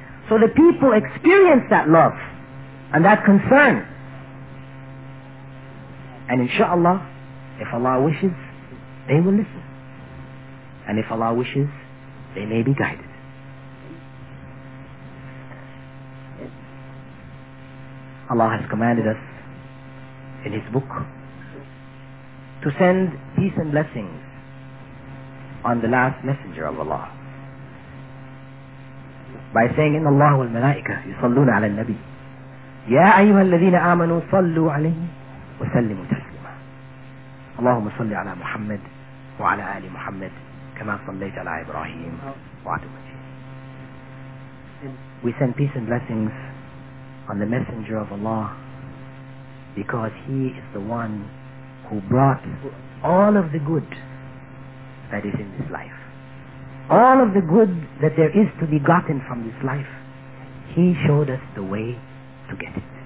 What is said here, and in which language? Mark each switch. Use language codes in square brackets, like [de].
[en] So the people experience that love and that concern. And inshallah, if Allah wishes, they will listen. And if Allah wishes, they may be guided. Allah has commanded us in His book to send peace and blessings on the last messenger of Allah by saying, [ar] إِنَّ اللَّهُ وَالْمَلَائِكَةُ يُصَلُّونَ عَلَى النَّبِيِّ يَا أَيُّهَا الَّذِينَ آمَنُوا صَلُّوا عَلَيْهِ وَسَلِّمُوا تَسْلِيمًا اللهم صل على محمد وعلى آل محمد كما صليت على إبراهيم وعلى آل محمد. [en] We send peace and blessings on the messenger of Allah because he is the one who brought all of the good that is in this life. all of the good that there is to be gotten from this life, He showed us the way to get it.